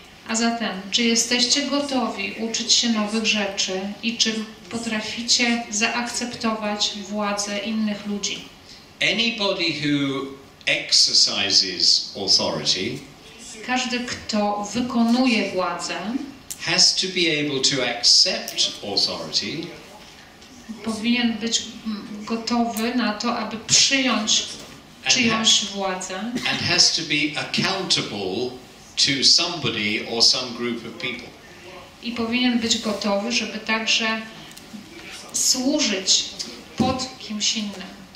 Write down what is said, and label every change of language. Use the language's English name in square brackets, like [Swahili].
[Polish] A zatem, czy jesteście gotowi uczyć się nowych rzeczy i czy potraficie zaakceptować władzę innych ludzi? [English] Anybody who exercises authority, [Polish] każdy kto wykonuje władzę, [English] has to be able to accept authority. [Polish] Powinien być gotowy na to, aby przyjąć czyjąś władzę. [English] And has to be accountable to somebody or some group of people. [Polish] I powinien być gotowy, żeby także służyć pod kimś innym.